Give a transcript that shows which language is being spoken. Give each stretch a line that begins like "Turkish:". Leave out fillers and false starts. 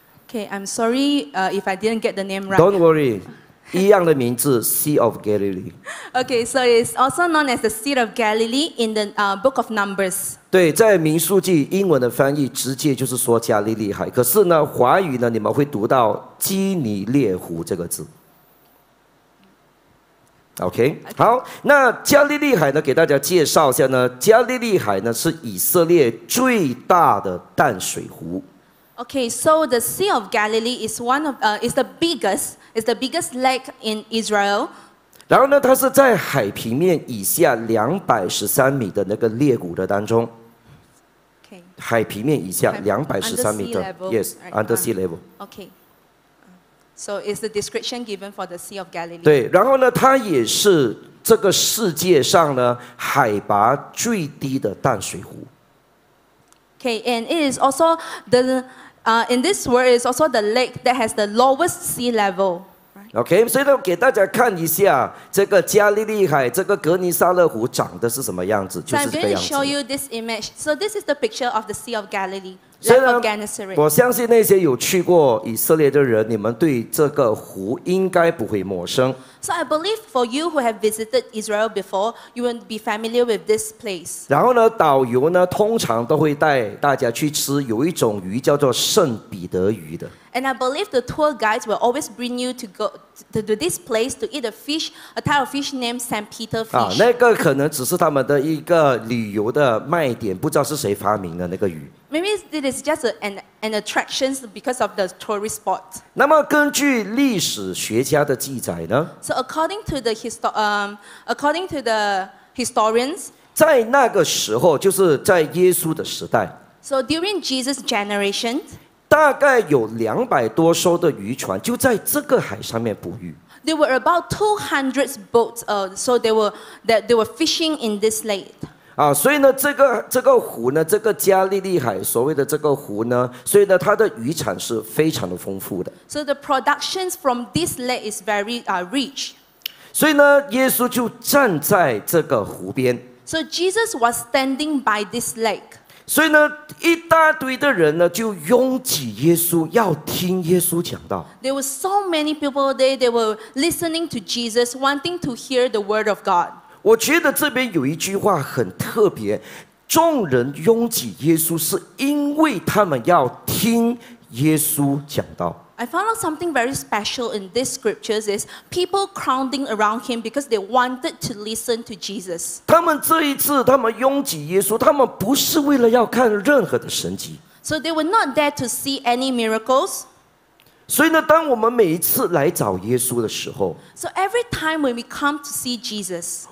English: Okay, I'm sorry if I didn't get the name right. Don't worry.
Chinese: 一样的名字
English: Sea of Galilee. Okay, so it's also known as the Sea of Galilee in the book of Numbers.
Chinese: 对，在民数记英文的翻译直接就是说加利利海，可是呢，华语呢，你们会读到基尼列湖这个字。 OK， 好，那加利利海呢，给大家介绍一下呢，加利利海呢是以色列最大的淡水湖。
English: Okay, so the Sea of Galilee is one of is the biggest lake in Israel.
Chinese: 然后呢，它是在海平面以下213米的那个裂谷的当中。
English: Okay.
Chinese: 海平面以下213米的
English: yes, under sea level. Okay. So is the description given for the Sea of Galilee?
Chinese: 对，然后呢，它也是这个世界上呢海拔最低的淡水湖。
English: Okay, and it is also in this world is also the lake that has the lowest sea level.
Chinese: Okay, 所以呢，给大家看一下这个加利利海，这个格尼撒勒湖长的是什么样子，就是这个样子。
English: So I'm going to show you this image. So this is the picture of the Sea of Galilee, Lake of Gennesaret.
Chinese: 我相信那些有去过以色列的人，你们对这个湖应该不会陌生。
English: So I believe for you who have visited Israel before, you will be familiar with this place.
Chinese: 然后呢，导游呢通常都会带大家去吃有一种鱼叫做圣彼得鱼的。
English: And I believe the tour guides will always bring you to go to this place to eat a fish, a type of fish named Saint Peter fish.
Chinese: 那个可能只是他们的一个旅游的卖点，不知道是谁发明的那个鱼。
English: Maybe it is just an attraction because of the tourist spot.
Chinese: 那么根据历史学家的记载呢？
English: So according to the historians,
Chinese: 在那个时候，就是在耶稣的时代。
English: So during Jesus' generation,
Chinese: 大概有200多艘的渔船就在这个海上面捕鱼。
English: There were about 200 boats. So they were fishing in this lake.
Chinese: 啊，所以呢，这个湖呢，这个加利利海所谓的这个湖呢，所以呢，它的渔产是非常的丰富的。
English: So the productions from this lake is very rich.
Chinese: 所以呢，耶稣就站在这个湖边。
English: So Jesus was standing by this lake.
Chinese: 所以呢，一大堆的人呢就拥挤耶稣，要听耶稣讲道。
English: There were so many people there. They were listening to Jesus, wanting to hear the word of God.
Chinese: 我觉得这边有一句话很特别，众人拥挤耶稣是因为他们要听耶稣讲道。
English: I found out something very special in these scriptures is people crowding around him because they wanted to listen to Jesus.
Chinese: 他们这一次他们拥挤耶稣，他们不是为了要看任何的神迹。
English: So they were not there to see any miracles.
Chinese: 所以呢，当我们每一次来找耶稣的时候
English: ，So every time when we come to see Jesus，